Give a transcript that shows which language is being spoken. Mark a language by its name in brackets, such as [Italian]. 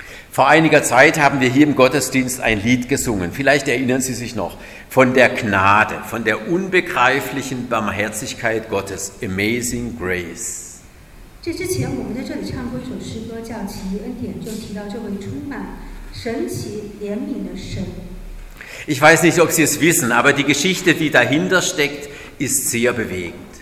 [German] Vor einiger Zeit haben wir hier im Gottesdienst ein Lied gesungen. Vielleicht erinnern Sie sich noch von der Gnade, von der unbegreiflichen Barmherzigkeit Gottes. [English] Amazing Grace. [Chinese] 这之前我们在这里唱过一首诗歌，叫《奇恩典》，就提到这位充满神奇怜悯的神。 [German] Ich weiß nicht, ob Sie es wissen, aber die Geschichte, die dahinter steckt, ist sehr bewegend.